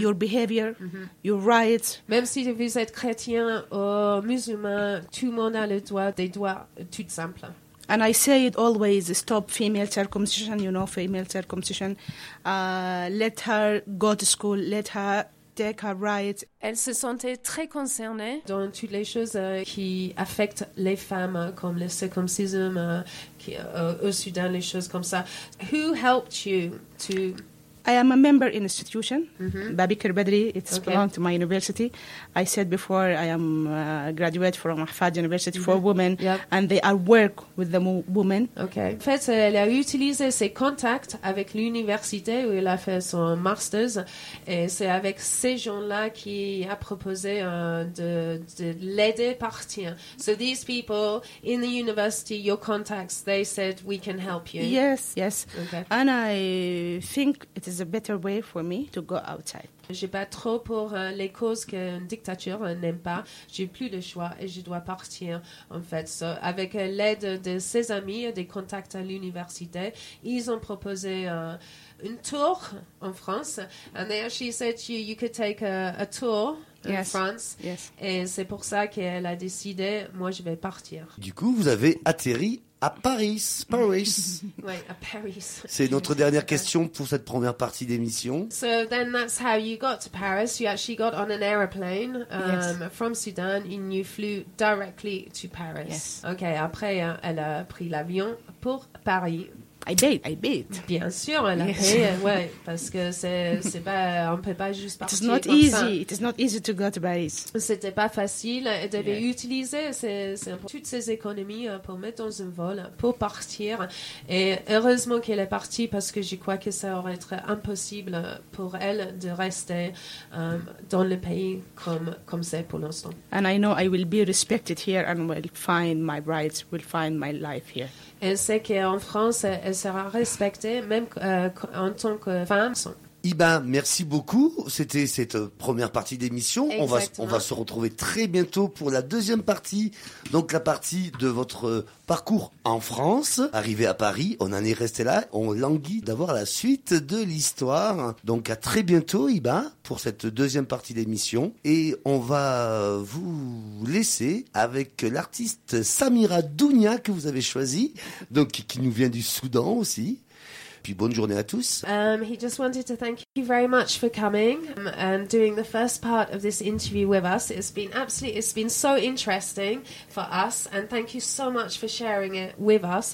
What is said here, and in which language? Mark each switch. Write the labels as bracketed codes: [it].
[en] your behavior, mm-hmm. your rights. [fr] Même si vous êtes chrétien ou musulman, tout le monde a le droit, des droits, tout simple. [en] And I say it always, stop female circumcision, you know, female circumcision. Let her go to school, let her take her rights. [fr] Elle se sentait très concernée dans toutes les choses qui affectent les femmes, comme le circumcision, au Sudan, les choses comme ça. [en] Who helped you to... I am a member in institution, mm-hmm. Babikir Badri. It's okay. Belong to my university. I said before I am graduate from Ahfad University mm-hmm. for women, yep. and they are work with the women. Okay. [fr] En fait, elle a utilisé ses contacts avec l'université où elle a fait son master's, et c'est avec ces gens-là qui a proposé de l'aider partir. [en] So these people in the university, your contacts, they said we can help you. Yes, yes. Okay. And I think it is a better way for me to go outside. [fr] J'ai pas trop pour les causes qu'une dictature n'aime pas. J'ai plus le choix et je dois partir, en fait. So, avec l'aide de ses amis, des contacts à l'université, ils ont proposé une tour en France. [en] And they actually said you could take a tour in yes. France. Yes. [fr] Et c'est pour ça qu'elle a décidé, moi, je vais partir. Du coup, vous avez atterri à Paris, Paris. Oui, à Paris. C'est notre dernière question pour cette première partie d'émission. [en] So then that's how you got to Paris. You actually got on an aeroplane yes. from Sudan and you flew directly to Paris. Yes. [fr] Okay, après, elle a pris l'avion pour Paris. [en] I bet. [fr] Bien sûr, elle a [en] yes. [fr] payé, ouais, parce que c'est pas, on peut pas juste partir. [en] It's not easy. It is not easy to go to Paris. [fr] C'était pas facile. Elle devait yeah. utiliser toutes ses économies pour mettre dans un vol, pour partir. Et heureusement qu'elle est partie parce que je crois que ça aurait été impossible pour elle de rester dans le pays comme c'est pour l'instant. [en] And I know I will be respected here and will find my rights, will find my life here. [fr] Elle sait qu'en France, elle sera respectée, même en tant que femme. Iba, merci beaucoup. C'était cette première partie d'émission. Exactement. On va se retrouver très bientôt pour la deuxième partie. Donc la partie de votre parcours en France. Arrivé à Paris, on en est resté là. On languit d'avoir la suite de l'histoire. Donc à très bientôt, Iba, pour cette deuxième partie d'émission. Et on va vous laisser avec l'artiste Samira Dounia que vous avez choisi. Donc qui nous vient du Soudan aussi. Puis bonne journée à tous. [en] He just wanted to thank you very much for coming and doing the first part of this interview with us. It's been so interesting for us and thank you so much for sharing it with us.